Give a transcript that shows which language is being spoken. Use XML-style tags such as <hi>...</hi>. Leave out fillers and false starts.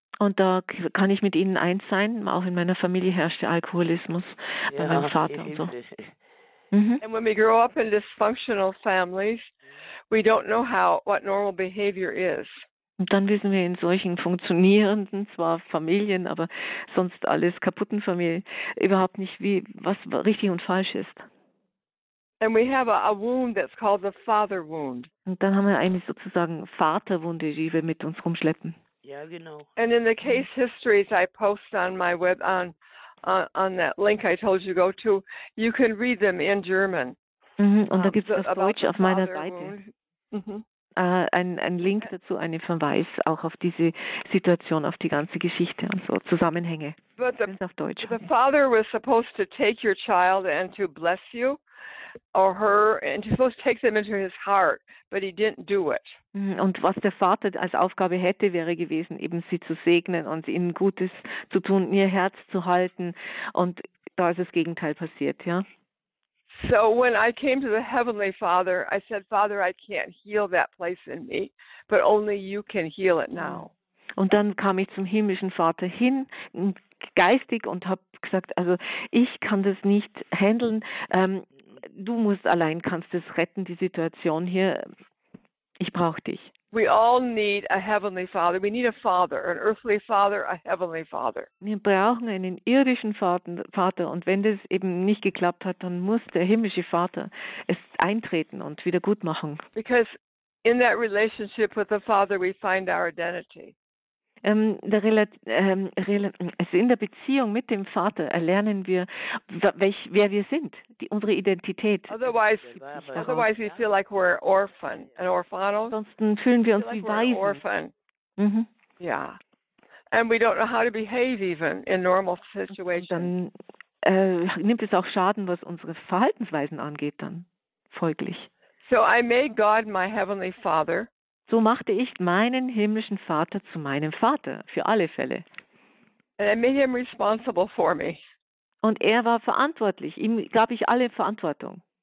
<de>Und da kann ich mit Ihnen eins sein. Auch in meiner Familie herrschte Alkoholismus bei meinem Vater und so.</de> <en>And when we grow up in dysfunctional families, we don't know what normal behavior is.</en> <de>Und dann wissen wir in solchen funktionierenden, zwar Familien, aber sonst alles kaputten Familien, überhaupt nicht, was richtig und falsch ist.</de> <en>And we have a wound that's called the father wound.</en> <de>Und dann haben wir eine sozusagen Vaterwunde, die wir mit uns rumschleppen. Ja, genau.</de> <en>And in the case histories I post on my web on that link I told you to go to, you can read them in German.</en> <de>Und da gibt es auf Deutsch auf meiner Seite. Ein Link dazu, einen Verweis auch auf diese Situation, auf die ganze Geschichte und so Zusammenhänge.</de> <en>But</en> <de>das ist auf Deutsch.</de> <en>The father was supposed to take your child and to bless you or her and he was supposed to take them into his heart, but he didn't do it.</en> <de>Und was der Vater als Aufgabe hätte, wäre gewesen, eben sie zu segnen und ihnen Gutes zu tun, ihr Herz zu halten, und da ist das Gegenteil passiert, ja.</de> <en>So when I came to the Heavenly Father, I said, Father, I can't heal that place in me, but only you can heal it now.</en> <de>Und dann kam ich zum himmlischen Vater hin, geistig, und habe gesagt, also ich kann das nicht handeln. Du musst allein kannst es retten, die Situation hier. Ich brauche dich.</de> <en>We all need a Heavenly Father. We need a Father, an earthly Father, a Heavenly Father.</en> <de>Wir brauchen einen irdischen Vater, und wenn das eben nicht geklappt hat, dann muss der himmlische Vater es eintreten und wieder gut machen.</de> <en>Because in that relationship with the Father, we find our identity.</en> <de>Also in der Beziehung mit dem Vater erlernen wir, wer wir sind, unsere Identität.</de> <en>Otherwise we feel like we're orphan, an orphano.</en> <de>Ansonsten fühlen wir uns wie Waisen.</de> <en>Orphan. Yeah. And we don't know how to behave even in normal situations.</en> <de>Dann nimmt es auch Schaden, was unsere Verhaltensweisen angeht, dann folglich.</de> <en>So I made God my heavenly Father.</en> <de>So machte ich meinen himmlischen Vater zu meinem Vater, für alle Fälle.</de> <en>And I made him responsible for me.</en> <de>Und er war verantwortlich, ihm gab ich alle Verantwortung.</de>